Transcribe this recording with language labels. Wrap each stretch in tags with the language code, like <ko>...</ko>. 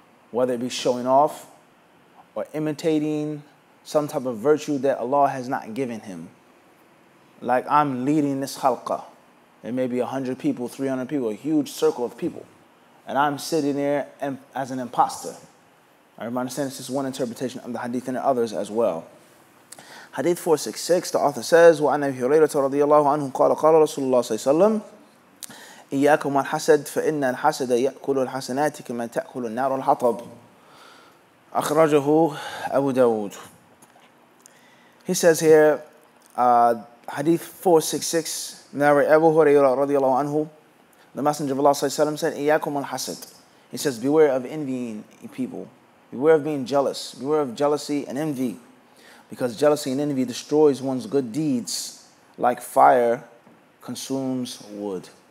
<en>Whether it be showing off or imitating some type of virtue that Allah has not given him. Like, I'm leading this halqa. It may be 100 people, 300 people, a huge circle of people. And I'm sitting there as an imposter. I understand this is one interpretation of the hadith and others as well. Hadith 466, the author says,</en> <ar>وَعَنَ أَبِي هُرَيْرَةَ رَضِيَ اللَّهُ عَنْهُ قَالَ قَالَ رَسُولُ اللَّهِ صَلَّى اللَّهُ عَلَيْهِ وَسَلَّمَ إِيَّاكُمْ وَالْحَسَدَ فَإِنَّ الْحَسَدَ يَأْكُلُ الْحَسَنَاتِ كَمَا تَأْكُلُ النَّارُ الْحَطَبُ. أخرجه أبو داود.</ar> <en>He says here, Hadith 466, narrated Abu Huraira رضي الله عنه, the Messenger of Allah صلى الله عليه وسلم said,</en> <ar>إِيَّاكُمْ وَالْحَسَدَ.</ar> <en>He says, beware of envying people. Beware of being jealous. Beware of jealousy and envy. Because jealousy and envy destroys one's good deeds like fire consumes wood.</en>